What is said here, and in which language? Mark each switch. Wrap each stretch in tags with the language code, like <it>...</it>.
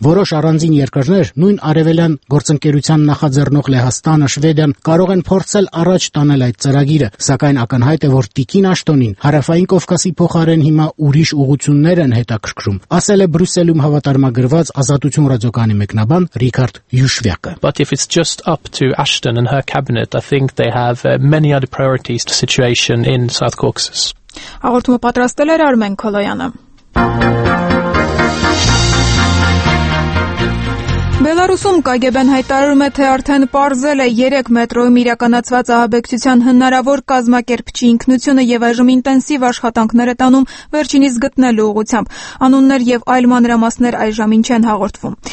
<hy>Որոշ առանձին երկրներ, նույն արևելյան գործընկերության նախաձեռնող Լեհաստանը, Շվեդիան, կարող են փորձել առաջ տանել այդ ծրագիրը, սակայն ակնհայտ է, որ Տիկին Աշտոնին հարավային Կովկասի փոխարեն հիմա ուրիշ ուղություններ են հետաքրքրում, ասել է Բրյուսելում հավատարմագրված Ազատություն ռադիոկանի մեկնաբան Ռիկարդ Յուշվյակը։</hy> <en>But if it's just up to Ashton and her cabinet, I think they have many other priorities to situation in South Caucasus.</en> <hy>Հաղորդումը պատրաստել էր Արմեն Քոլոյանը։ Բելարուսում ԿԳԲ-ն հայտարարում է, թե արդեն պարզել է 3 մետրոյում իրականացված ահաբեկչության հնարավոր կազմակերպչի ինքնությունը եւ այժմ ինտենսիվ աշխատանքներ է տանում վերջինիս գտնելու ուղղությամբ։ Անուններ եւ այլ մանրամասներ այժմին չեն հաղորդվում։</hy>